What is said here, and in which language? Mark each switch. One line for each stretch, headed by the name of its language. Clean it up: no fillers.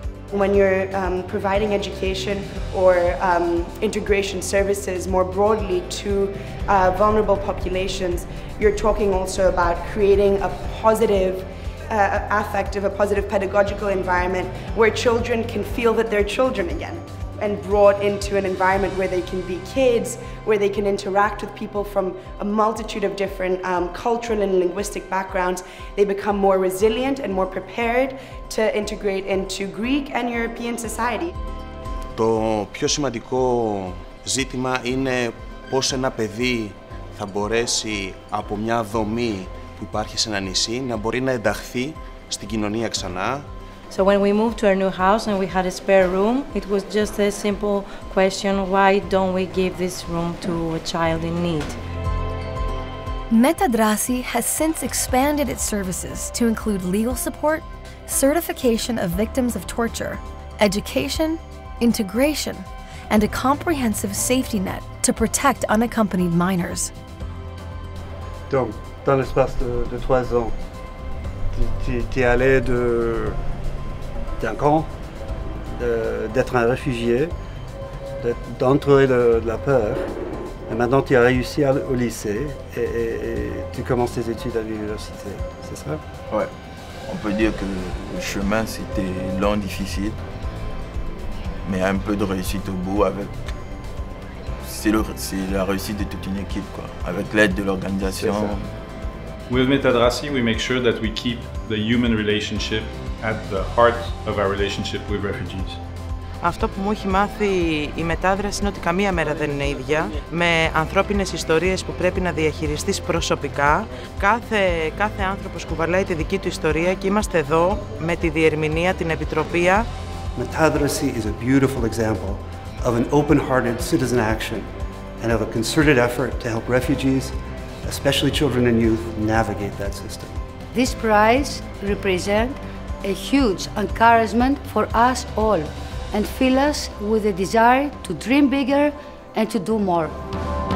English: When you're providing education or integration services more broadly to vulnerable populations, you're talking also about creating a positive affective, a positive pedagogical environment where children can feel that they're children again and brought into an environment where they can be kids, where they can interact with people from a multitude of different cultural and linguistic backgrounds. They become more resilient and more prepared to integrate into Greek and European society.
Greek: Το πιο σημαντικό ζήτημα είναι πώς ένα παιδί θα μπορέσει από μια δομή που υπάρχει σε ένα νησί να μπορεί να ενταχθεί στην κοινωνία ξανά.
English: So when we moved to our new house and we had a spare room, it was just a simple question, why don't we give this room to a child in need? METAdrasi has since expanded its services to include legal support, certification of victims of torture, education, integration, and a comprehensive safety net to protect unaccompanied minors.
French: Donc, dans l'espace de 3 ans, t'es allé de... d'un camp, d'être un réfugié, d'entrer de la peur. Et maintenant, tu as réussi au lycée et tu commences tes études à l'université, c'est ça? Ouais, on peut dire que le chemin, c'était long, difficile, mais un peu de réussite au bout avec... C'est la réussite de toute une équipe, quoi, avec l'aide de l'organisation.
English: With METAdrasi, we make sure that we keep the human relationship at the heart of our relationship with refugees.
Greek: Αυτό που μου έχει μάθει η μετάδραση είναι ότι καμία μέρα δεν είναι ίδια. Με ανθρώπινες ιστορίες που πρέπει να διαχειριστείς προσωπικά, κάθε άνθρωπος κουβαλάει τη δική του ιστορία και είμαστε εδώ με τη διερμηνία, την επιτροπία.
English: METAdrasi is a beautiful example of an open-hearted citizen action and of a concerted effort to help refugees, especially children and youth, navigate that system. This prize represents a huge encouragement for us all and fills us with a desire to dream bigger and to do more.